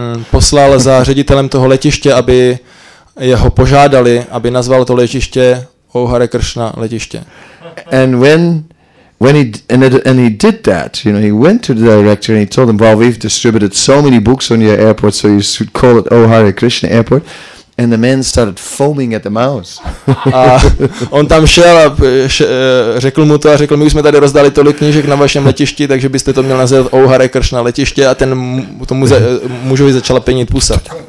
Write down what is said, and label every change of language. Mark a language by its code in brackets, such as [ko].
[cs] Poslal za ředitelem toho letiště, aby jeho požádali, aby nazval to letiště O'Hare Krishna letiště. [en] And when he did that, you know, he went to the director and he told him, well, we've distributed so many books on your airport, so you should call it O'Hare Krishna Airport. And the man started foaming at the mouth. [cs] A on tam šel a řekl mu to a řekl, my už jsme tady rozdali tolik knížek na vašem letišti, takže byste to měl nazvat O Hare Krishna letiště, a ten tomu mužovi začala penit pusa.